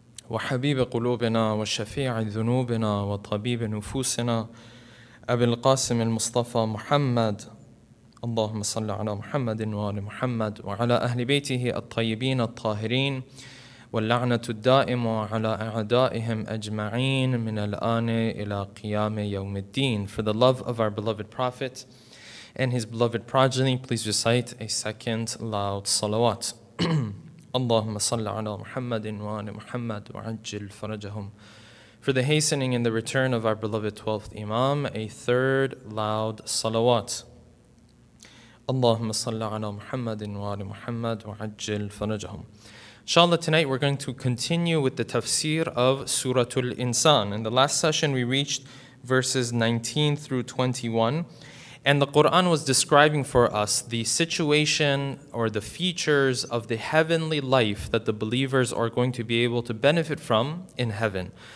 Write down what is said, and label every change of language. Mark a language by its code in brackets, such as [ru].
[ar] وحبيب قلوبنا وشفيع ذنوبنا وطبيب نفوسنا أبي القاسم المصطفى محمد اللهم صل على محمد وآل محمد وعلى أهل بيته الطيبين الطاهرين واللعنة الدائمة على أعدائهم أجمعين من الآن إلى قيام يوم الدين. [en] For the love of our beloved Prophet and his beloved progeny, please recite a second loud salawat. [ar] اللهم صل على محمد وآل محمد وعجل فرجهم. [en] For the hastening and the return of our beloved 12th Imam, a third loud salawat. [ar] اللهم صل على محمد وآل محمد وعجل فرجهم. [en] Inshallah, tonight we're going to continue with the tafsir of Suratul Insan. In the last session, we reached verses 19 through 21, and the Quran was describing for us the situation or the features of the heavenly life that the believers are going to be able to benefit from in heaven.